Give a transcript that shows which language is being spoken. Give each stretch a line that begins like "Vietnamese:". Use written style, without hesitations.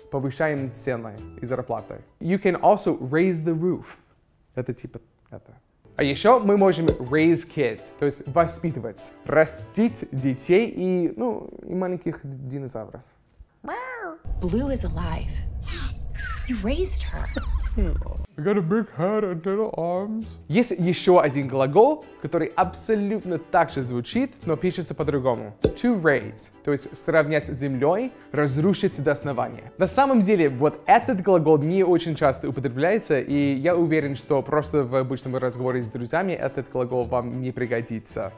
Russian: Повышаем цены и зарплаты.
English: You can also raise the roof.
Russian: Это типа это. А еще мы можем
English: raise kids,
Russian: то есть воспитывать. Растить детей и, ну, и маленьких динозавров.
English: Blue is alive. You raised her. I got a big head and little arms.
Russian: Есть еще один глагол, который абсолютно так же звучит, но пишется по-другому. To raise, то есть сравнять с землей, разрушить до основания. На самом деле, вот этот глагол не очень часто употребляется, и я уверен, что просто в обычном разговоре с друзьями этот глагол вам не пригодится.